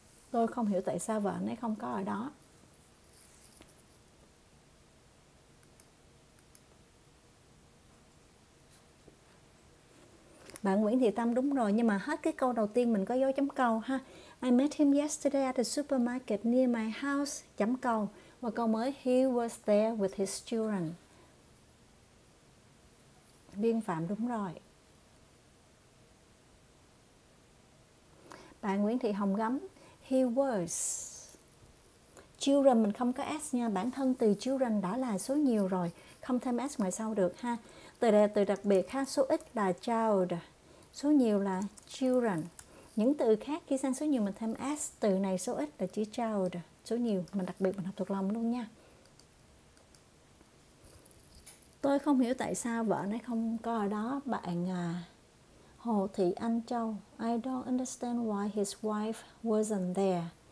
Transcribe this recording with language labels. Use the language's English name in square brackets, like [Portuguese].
[Vietnamese] Tôi không hiểu tại sao vợ anh ấy không có ở đó. Bạn Nguyễn Thị Tâm đúng rồi, nhưng mà hết cái câu đầu tiên mình có dấu chấm câu ha. [English] I met him yesterday at a supermarket near my house. Chấm câu. [Vietnamese] Và câu mới, he was there with his children. Biên phạm đúng rồi. Bạn Nguyễn Thị Hồng Gấm, he was. Children mình không có s nha, bản thân từ children đã là số nhiều rồi, không thêm s ngoài sau được ha. Từ đề từ đặc biệt ha, số ít là child, số nhiều là children. Những từ khác khi sang số nhiều mình thêm s, từ này số ít là chữ child, số nhiều, mình đặc biệt mình học thuộc lòng luôn nha. Tôi không hiểu tại sao vợ nó không có ở đó bạn à. [English] Hồ Thị Anh Châu, I don't understand why his wife wasn't there.